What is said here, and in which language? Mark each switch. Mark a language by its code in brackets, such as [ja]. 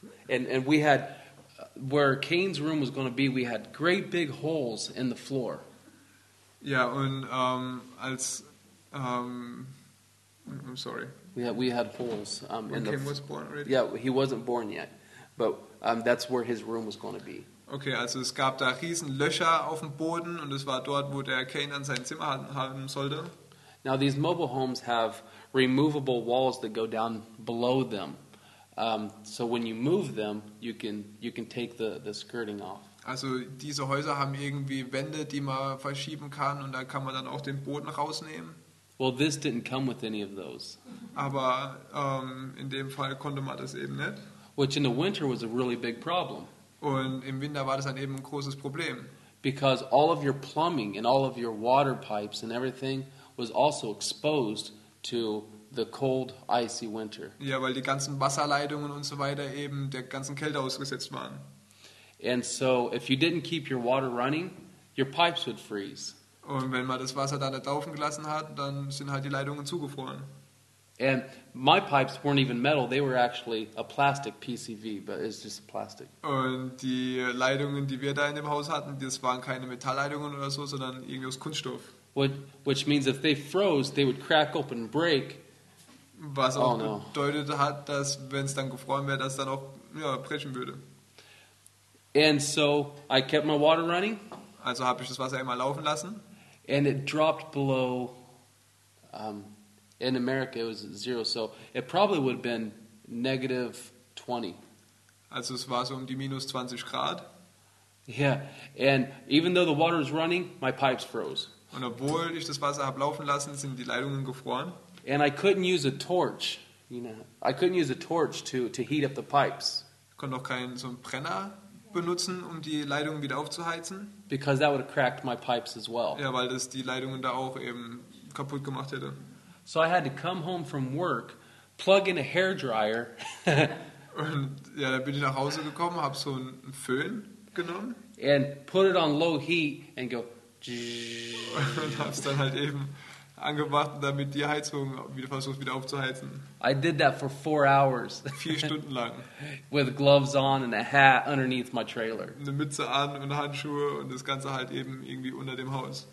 [en] And we had where Cain's room was going to be. We had great big holes in the floor. Yeah, and as I'm sorry. We had holes. When Cain was born already. Yeah, he wasn't born yet, but that's where his room was going to be. [de] Okay, also es gab da riesen Löcher auf dem Boden und es war dort, wo der Cain dann sein Zimmer haben sollte. [en] Now these mobile homes have removable walls that go down below them. So when you move them, you can take the skirting off. [de] Also diese Häuser haben irgendwie Wände, die man verschieben kann und da kann man dann auch den Boden rausnehmen. [en] Well, this didn't come with any of those. [de] Aber in dem Fall konnte man das eben nicht. [en] Which in the winter was a really big problem. [de] Und im Winter war das dann eben ein großes Problem. [en] Because all of your plumbing and all of your water pipes and everything was also exposed to the cold, icy winter. [de] Ja, weil die ganzen Wasserleitungen und so weiter eben der ganzen Kälte ausgesetzt waren. [en] And so, if you didn't keep your water running, your pipes would freeze. [de] Und wenn man das Wasser da nicht laufen gelassen hat, dann sind halt die Leitungen zugefroren. [en] And my pipes weren't even metal, they were actually a plastic PCV, but it's just plastic. [de] Und die Leitungen, die wir da in dem Haus hatten, das waren keine Metallleitungen oder so, sondern irgendwie aus Kunststoff. [en] Which means if they froze, they would crack open and break. [de] Was auch bedeutet hat, dass wenn es dann gefroren wäre, das dann auch brechen würde. [en] And so I kept my water running. [de] Also habe ich das Wasser immer laufen lassen. [en] And it dropped below, in America it was zero, so it probably would have been negative 20. [de] Also es war so um die minus 20 Grad. [en] Yeah, and even though the water was running, my pipes froze. [de] Und obwohl ich das Wasser habe laufen lassen, sind die Leitungen gefroren. [en] And I couldn't use a torch, I couldn't use a torch to heat up the pipes. [de] Ich konnte auch keinen so einen Brenner benutzen, um die Leitungen wieder aufzuheizen. [en] Because that would have cracked my pipes as well. [de] Ja, weil das die Leitungen da auch eben kaputt gemacht hätte. [en] So I had to come home from work, plug in a hair dryer. [de] Und ja, da bin ich nach Hause gekommen, habe so einen Föhn genommen. [en] And put it on low heat and go. [de] Und hab's dann halt eben angebracht, damit die Heizung wieder versucht wieder aufzuheizen. [en] I did that for 4 hours. [de] 4 Stunden lang. [en] With gloves on and a hat underneath my trailer. [de] Eine Mütze an und Handschuhe und das Ganze halt eben irgendwie unter dem Haus.